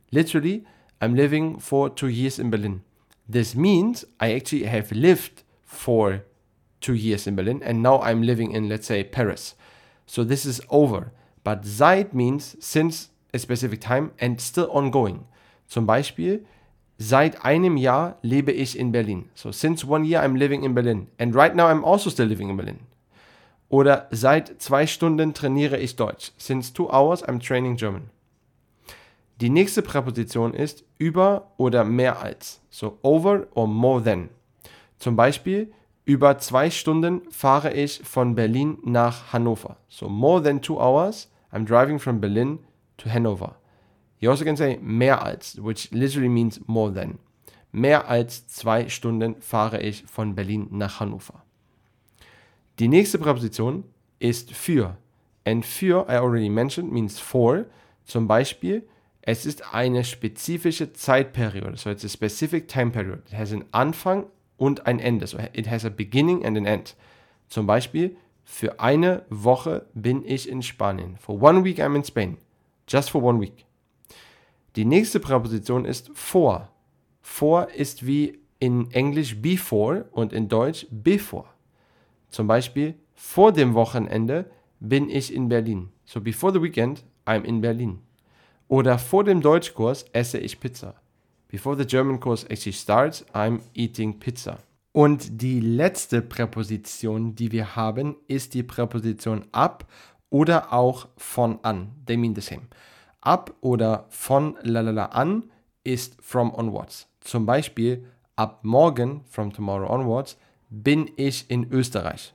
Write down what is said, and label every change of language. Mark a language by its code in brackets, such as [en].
[en] Literally, I'm living for 2 years in Berlin. This means I actually have lived for 2 years in Berlin and now I'm living in, let's say, Paris. So this is over. But seit means since a specific time and still ongoing. [de] Zum Beispiel, seit einem Jahr lebe ich in Berlin. [en] So since 1 year I'm living in Berlin. And right now I'm also still living in Berlin. [de] Oder seit 2 Stunden trainiere ich Deutsch. [en] Since 2 hours I'm training German. [de] Die nächste Präposition ist über oder mehr als. [en] So over or more than. [de] Zum Beispiel, über 2 Stunden fahre ich von Berlin nach Hannover. [en] So more than 2 hours, I'm driving from Berlin to Hannover. You also can say mehr als, which literally means more than. [de] Mehr als 2 Stunden fahre ich von Berlin nach Hannover. Die nächste Präposition ist für. [en] And für, I already mentioned, means for. [de] Zum Beispiel, es ist eine spezifische Zeitperiode. [en] So it's a specific time period. It has an [de] Anfang und ein Ende. [en] So it has a beginning and an end. [de] Zum Beispiel, für eine Woche bin ich in Spanien. [en] For 1 week I'm in Spain. Just for 1 week. [de] Die nächste Präposition ist vor. Vor ist wie in Englisch before und in Deutsch before. Zum Beispiel, vor dem Wochenende bin ich in Berlin. [en] So before the weekend, I'm in Berlin. [de] Oder vor dem Deutschkurs esse ich Pizza. [en] Before the German course actually starts, I'm eating pizza. [de] Und die letzte Präposition, die wir haben, ist die Präposition ab oder auch von an. [en] They mean the same. [de] Ab oder von lalala an ist from onwards. Zum Beispiel, ab morgen, [en] from tomorrow onwards, [de] bin ich in Österreich.